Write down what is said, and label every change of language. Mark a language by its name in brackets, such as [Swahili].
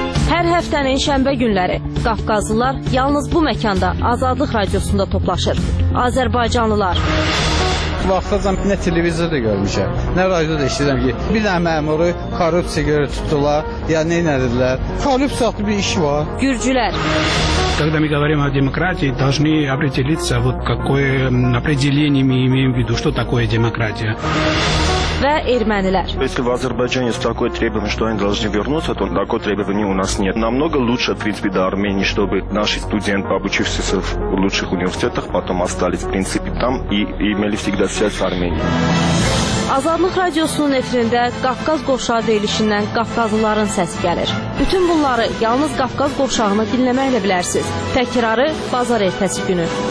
[Azerbaijani] Hər həftənin şənbə günləri Qafqazlılar yalnız bu məkanda Azadlıq Radiosunda toplaşır. Azərbaycanlılar. Vaxtacam nə televizorda görmüşəm, nə radioda işləyirəm ki, bir dənə məmuru korrupsiya görə tutdular, ya nə edirlər? Korrupsiya haqqı bir iş var. Gürcülər. [Russian] Когда мы говорим о демократии, должны определиться, вот какое определение мы имеем в виду, что такое демократия. [Azerbaijani] Və ermənilər. [Russian] Если в Азербайджане есть такое требование, что они должны вернуться, то такое требование у нас нет. Намного лучше, в принципе, до Армении, чтобы наши студенты, обучившиеся в лучших университетах, потом остались, в принципе, там и имели всегда связь с Арменией. [Azerbaijani] Azadlıq Radiosunun efirində Qafqaz Qovşağı deyilişindən Qafqazlıların səsi gəlir. Bütün bunları yalnız Qafqaz Qovşağını dinləməklə bilərsiniz. Təkrarı bazar ertəsi günü.